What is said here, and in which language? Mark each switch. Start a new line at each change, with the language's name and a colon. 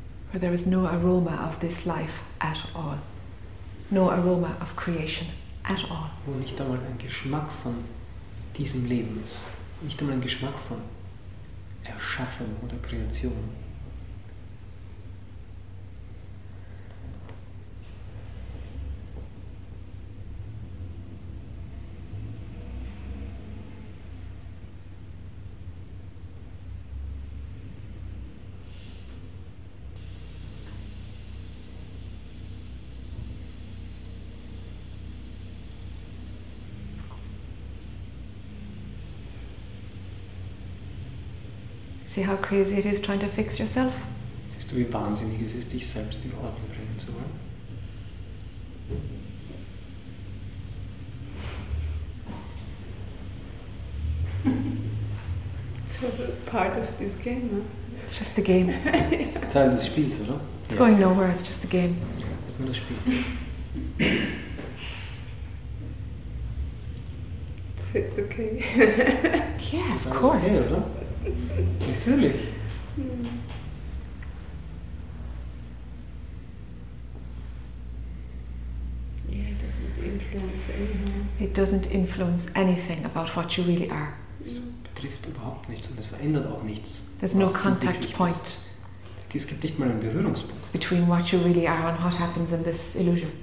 English: for there is no aroma of this life at all. No aroma of creation at all.
German: Wo nicht einmal ein Geschmack von diesem Leben ist. Nicht einmal ein Geschmack von Erschaffung oder Kreation.
English: See how crazy it is trying to fix yourself?
German: Siehst du, wie wahnsinnig es ist, dich selbst in Ordnung bringen zu wollen?
English: It's also part of this game, no? It's just the game.
German: Es ist Teil des Spiels, oder?
English: It's going nowhere, it's just the game.
German: Es ist nur das Spiel.
English: So it's okay. Yeah, of course.
German: Okay, oder? Natürlich.
English: Yeah, it doesn't influence anything. It doesn't influence anything about what you really are.
German: Es betrifft überhaupt nichts und es verändert auch nichts.
English: There's no contact point.
German: Es gibt nicht mal einen Berührungspunkt.
English: Between what you really are and what happens in this illusion.